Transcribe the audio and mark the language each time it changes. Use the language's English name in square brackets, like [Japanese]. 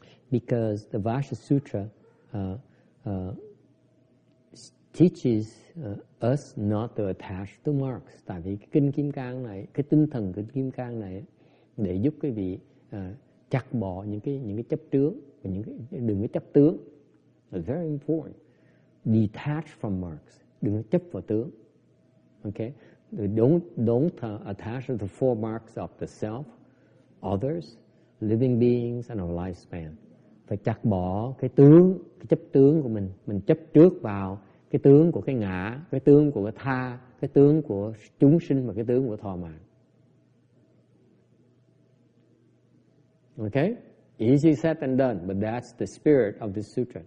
[English] Because the Vajra Sutra teaches us not to attach to marks. [Vietnamese] Tại vì cái kinh Kim Cang này, cái tinh thần kinh Kim Cang này để giúp quý vị chặt bỏ những cái chấp trước và đừng có chấp tướng. [English] It's very important. Detach from marks. [Vietnamese] Đừng có chấp vào tướng. [English] Okay? Don't attach to the four marks of the self, others, living beings and our lifespan. [Vietnamese] Phải chặt bỏ cái tướng, cái chấp tướng của mình. Mình chấp trước vào cái tướng của cái ngã, cái tướng của cái tha, cái tướng của chúng sinh và cái tướng của thọ mạng. [English] Okay? Easy said than done, but that's the spirit of this sutra.